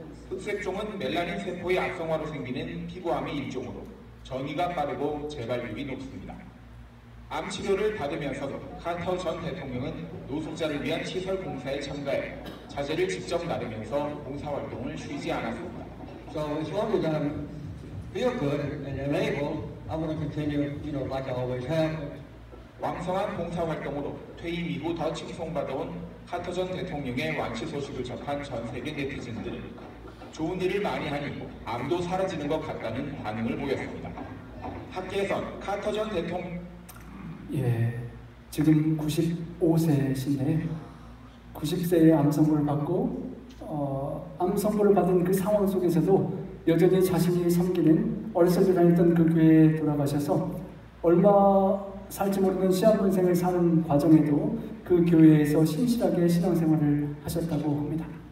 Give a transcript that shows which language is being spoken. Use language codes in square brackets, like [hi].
[ko] 흑색종은 멜라닌 세포의 악성화로 생기는 피부암의 일종으로 전이가 빠르고 재발률이 높습니다. 암치료를 받으면서도 카터 전 대통령은 노숙자를 위한 시설 공사에 참가해 자재를 직접 나르면서 공사활동을 쉬지 않았습니다. [en] So as long as I'm feel good and am able, I'm going to continue, you know, like I always have. [ko] 왕성한 공사활동으로 퇴임 이후 더 칭송받아온 카터 전 대통령의 완치 소식을 접한 전 세계 네티즌들은 좋은 일을 많이 하니 암도 사라지는 것 같다는 반응을 보였습니다. 학계에선 카터 전 대통령 예, 지금 95세신데 90세의 암선물을 받고 암선물을 받은 그 상황 속에서도 여전히 자신이 섬기는 어렸을 때 다녔던 그 교회에 돌아가셔서 얼마 살지 모르는 시한부 인생을 사는 과정에도 그 교회에서 신실하게 신앙생활을 하셨다고 합니다.